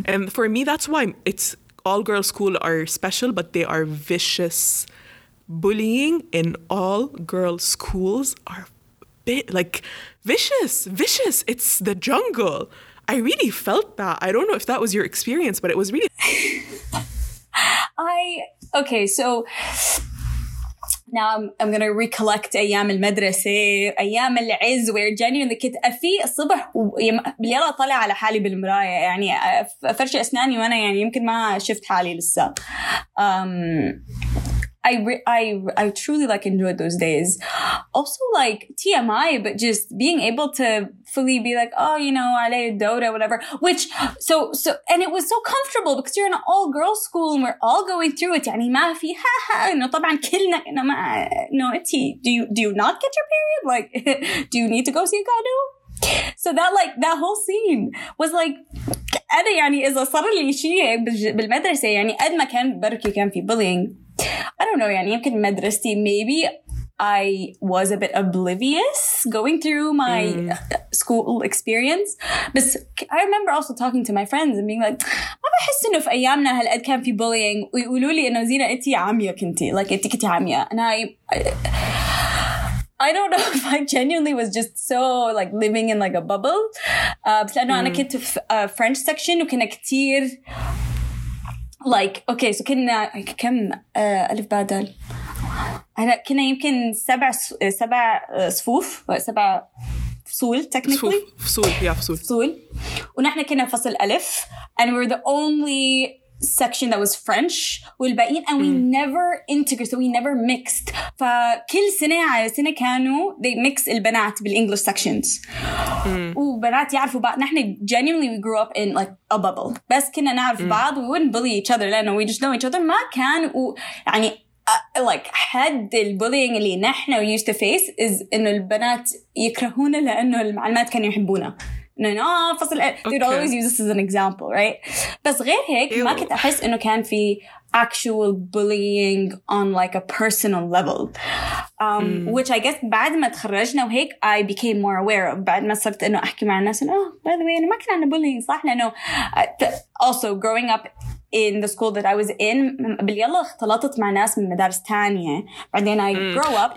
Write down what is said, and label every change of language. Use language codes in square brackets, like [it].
[en] And for me, that's why it's all girls school are special, but they are vicious. Bullying in all girls schools are vicious. It's the jungle. I really felt that. I don't know if that was your experience, but it was really... Okay, so now I'm going to recollect [ar] ايام المدرسة, ايام العز, [en] where genuinely [ar] كنت في الصبح بالليلة طالع على حالي بالمراية, يعني فرش أسناني وأنا يعني يمكن ما شفت حالي لسه. [en] I truly like enjoyed those days. Also like TMI, but just being able to fully be like, oh, you know, [ar] علي الدورة, [en] whatever. Which, so, and it was so comfortable because you're in an all-girls school and we're all going through it. [ar] يعني ما في ها ها, [en] no, [ar] طبعا كلنا, [en] no, it's, do you not get your period? Like, do you need to go see a guy? So that like, that whole scene was like, [ar] أنا يعني إذا صار لي شيء بالمدرسة يعني قد ما كان بركي كان في bullying. [en] I don't know, [ar] يعني يمكن مدرستي, [en] maybe I was a bit oblivious going through my school experience. But I remember also talking to my friends and being like, [ar] ما بحس إنه في أيامنا هالقد كان في bullying, ويقولوا لي إنه زينة إنتي عامية كنتي, [en] like [ar] إنتي كنتي عامية. [en] And I don't know if I genuinely was just so like living in like a bubble. [ar] بس لأنه أنا كنت في French section وكنا كتير. [en] Like, okay, so [ar] كنا كم ألف بادل؟ كنا يمكن سبع صفوف, سبع فصول technically. فصول. ونحن كنا فصل ألف, [en] and we were the only section that was French. [ar] والباقيين, [en] and we never integrated, so we never mixed. [ar] فكل سنة على سنة كانوا [en] they mix البنات بالEnglish sections. [ar] وبنات يعرفوا بعض. نحن [en] genuinely we grew up in like a bubble. [ar] بس كنا نعرف بعض. [en] We wouldn't bully each other. [ar] لأنه [en] we just know each other. [ar] ما كان ويعني like حد البولينج اللي نحن [en] we used to face is [ar] إنه البنات يكرهونا لأنه المعلمات كانوا يحبونا. No, فصل. [en] They'd always use this as an example, right? [ar] بس غير هيك ما كنت أحس إنه كان في [en] actual bullying on like a personal level, which I guess [ar] بعد ما تخرجنا وهيك [en] I became more aware of. [ar] بعد ما صرت إنه أحكي مع الناس إنه [en] by the way [ar] أنا ما كنا عنا bullying صح, لأنه [en] also growing up in the school that I was in [ar] باليلا اختلطت مع ناس من مدارس تانية بعدين [en] I grow up.